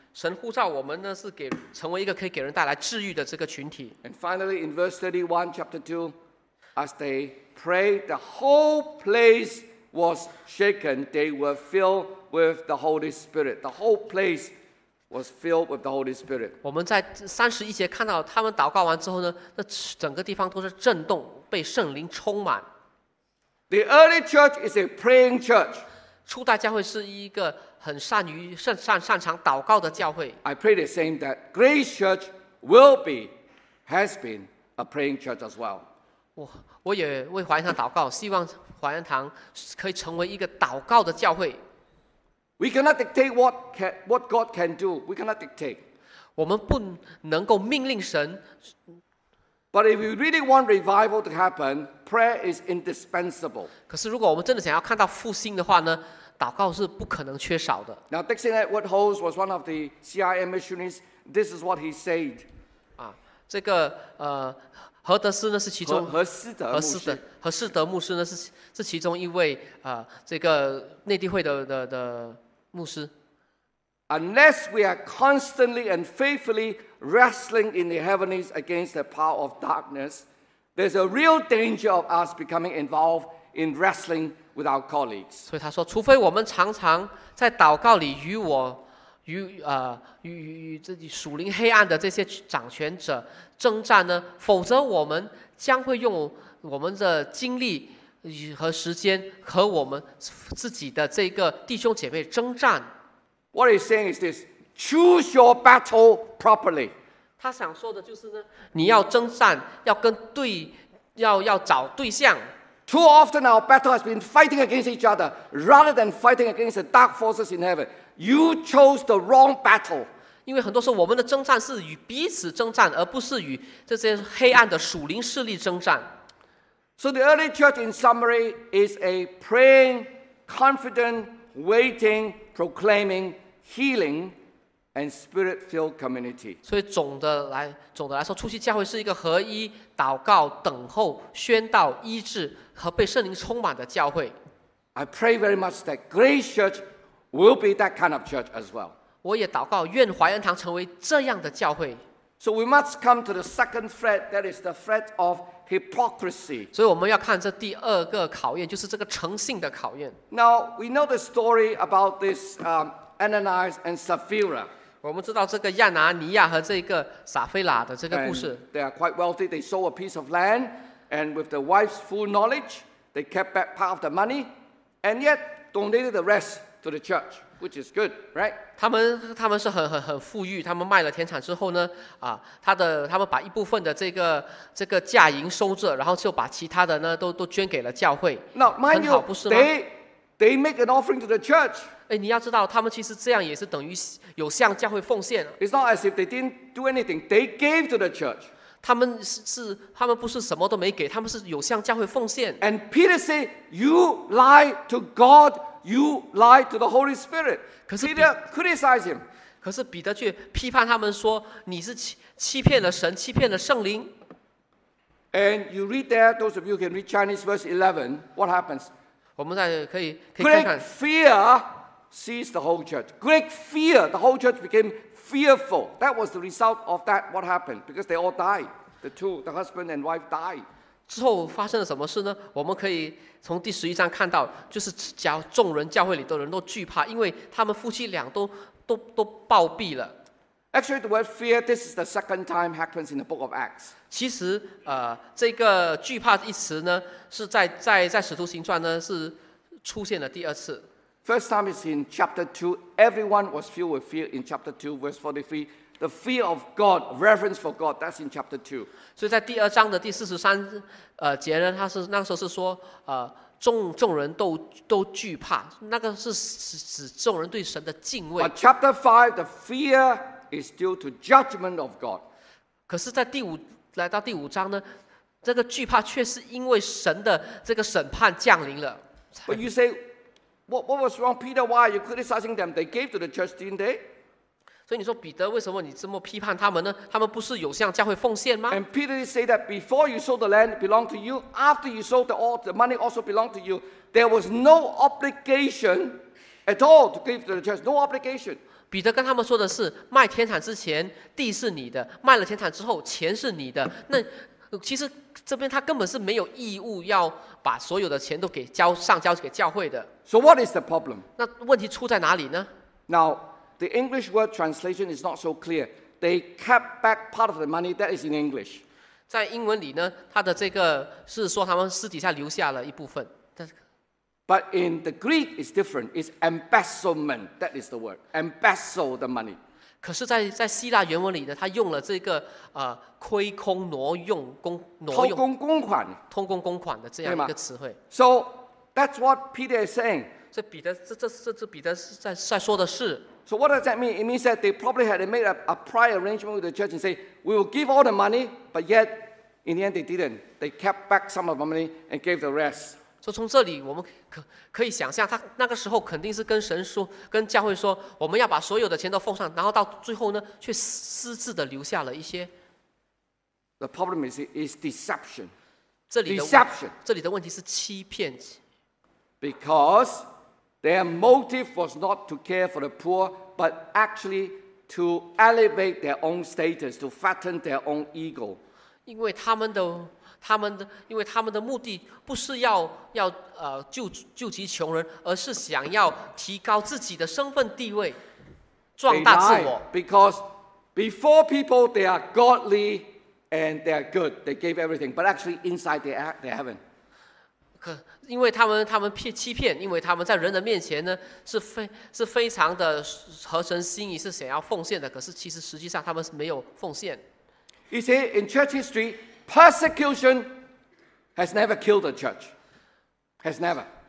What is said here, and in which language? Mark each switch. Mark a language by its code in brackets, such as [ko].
[zh] 神呼召我们呢，是给成为一个可以给人带来治愈的这个群体。 [en] And finally, in verse 31, chapter 2, as they prayed, the whole place was shaken. They were filled with the Holy Spirit. The whole place was filled with the Holy Spirit. [zh] 我们在三十一节看到他们祷告完之后呢，那整个地方都是震动，被圣灵充满。 [en] The early church is a praying church. [zh] 初代教会是一个很擅长祷告的教会。 [en] I pray the same that Grace Church will be, has been a praying church as well. [zh] 我也为华严堂祷告，希望华严堂可以成为一个祷告的教会。 [en] We cannot dictate what God can do. We cannot dictate. [zh] 我们不能够命令神。 [en] But if you really want revival to happen, prayer is indispensable. [zh] 可是如果我们真的想要看到复兴的话呢，祷告是不可能缺少的。 [en] Now Dixon Edward Holmes was one of the CIM missionaries. This is what he said. [zh] 啊，这个何德斯呢是其中何士德牧师呢是其中一位这个内地会的牧师。 [en] Unless we are constantly and faithfully wrestling in the heavenlies against the power of darkness, there's a real danger of us becoming involved in wrestling with our colleagues. [zh] 所以他说，除非我们常常在祷告里与我与自己属灵黑暗的这些掌权者征战呢，否则我们将会用我们的精力和时间和我们自己的这个弟兄姐妹征战。 [en] What he's saying is this: choose your battle properly. [zh] 他想说的就是呢，你要征战，要跟对，要找对象。 [en] Too often our battle has been fighting against each other rather than fighting against the dark forces in heaven. You chose the wrong battle. [zh] 因为很多时候我们的征战是与彼此征战，而不是与这些黑暗的属灵势力征战。 [en] So the early church, in summary, is a praying, confident, waiting, proclaiming, healing, and spirit-filled community. [zh] 所以总的来说，初期教会是一个合一、祷告、等候、宣道、医治和被圣灵充满的教会。 [en] I pray very much that Grace Church will be that kind of church as well. [zh] 我也祷告愿华严堂成为这样的教会。 [en] So we must come to the second threat, that is the threat of hypocrisy. [zh] 所以我们要看这第二个考验，就是这个诚信的考验。 [en] Now, we know the story about this Ananias and Sapphira. [zh] 我们知道这个亚拿尼亚和这个撒菲拉的这个故事。 [en] And they are quite wealthy. They sold a piece of land, and with the wife's full knowledge, they kept back part of the money, and yet donated the rest to the church. Which is good, right? [zh] 他们是很富裕，他们卖了田产之后呢，他们把一部分的这个价银收着，然后就把其他的呢都捐给了教会。 [en] Now, mind you, [zh] 很好，不是吗？ [en] They make an offering to the church. [zh] 你要知道，他们其实这样也是等于有向教会奉献。 [en] It's not as if they didn't do anything. They gave to the church. [zh] 他们不是什么都没给，他们是有向教会奉献。 [en] And Peter said, "You lie to God." You lied to the Holy Spirit. Peter criticized him. [zh] 可是彼得却批判他们说，你是欺骗了神，欺骗了圣灵。 [en] And you read there, those of you who can read Chinese verse 11, what happens? [zh] 我们再可以看看。 [en] Great fear seized the whole church. Great fear, the whole church became fearful. That was the result of that, what happened? Because they all died. The two, the husband and wife died. [zh] 之后发生了什么事呢？我们可以从第十一章看到，就是众人教会里的人都惧怕，因为他们夫妻俩都暴毙了。 [en] Actually, the word fear, this is the second time happens in the book of Acts. [zh] 其实，这个惧怕一词呢，是在使徒行传呢是出现了第二次。 [en] First time is in chapter 2. Everyone was filled with fear in chapter 2, verse 43. The fear of God, reverence for God, that's in chapter 2. [zh] 所以在第二章的第43节呢，他是那时候是说众人都惧怕，那个是指众人对神的敬畏。 [en] But chapter 5, the fear is due to judgment of God. [zh] 可是在第五来到第五章呢，这个惧怕却是因为神的这个审判降临了。 [en] But you say, what was wrong, Peter? Why are you criticizing them? They gave to the church, didn't they? [zh] 所以你说彼得为什么你这么批判他们呢？他们不是有向教会奉献吗？ [en] And Peter said that before you sold the land, it belonged to you. After you sold the money also belonged to you. There was no obligation at all to give to the church. No obligation. [zh] 彼得跟他们说的是，卖田产之前地是你的，卖了田产之后钱是你的。那其实这边他根本是没有义务要把所有的钱都给交上交给教会的。 [en] So what is the problem? [zh] 那问题出在哪里呢？ [en] Now the English word translation is not so clear. They kept back part of the money that is in English. [zh] 在英文里呢，他的这个是说他们私底下留下了一部分。 [en] But in the Greek, it's different. It's embezzlement. That is the word. Embezzle the money. [zh] 可是在希腊原文里呢，他用了这个亏空挪用公挪用偷工公款偷工公款的这样一个词汇。 [en] So that's what Peter is saying. [zh] 所以彼得这彼得在说的是。 [en] So what does that mean? It means that they probably had made a prior arrangement with the church and say we will give all the money, but yet in the end they didn't. They kept back some of the money and gave the rest. [zh] 所以从这里我们可以想象，他那个时候肯定是跟神说，跟教会说，我们要把所有的钱都奉上，然后到最后呢，却私自的留下了一些。 [en] The problem is deception. Deception. [zh] 这里的问题是欺骗。 [en] Because their motive was not to care for the poor, but actually to elevate their own status, to fatten their own ego. [zh] 因为他们的因为他们的目的不是要救济穷人，而是想要提高自己的身份地位，壮大自我。 [en] Because before people they are godly and they are good, they gave everything, but actually inside they haven't. [zh] 因为他们欺骗，因为他们在人的面前呢是非常的合神心意，是想要奉献的，可是其实实际上他们是没有奉献。 [en] You see, in church history. Persecution has never killed the church. Has never.